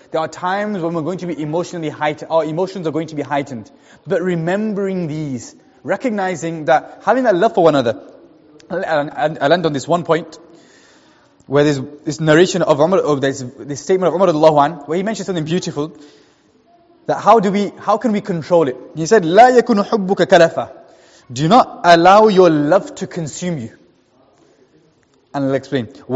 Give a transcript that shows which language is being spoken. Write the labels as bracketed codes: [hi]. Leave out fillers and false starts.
[en] There are times when we're going to be emotionally heightened, our emotions are going to be heightened. But remembering these, recognizing that, having that love for one another, I'll end on this one point, where there's this narration of Umar, or there's this statement of Umar radiallahu anhu, where he mentions something beautiful, that how can we control it? He said, [ar] لا يكون حبك كلفا. [en] Do not allow your love to consume you. And I'll explain.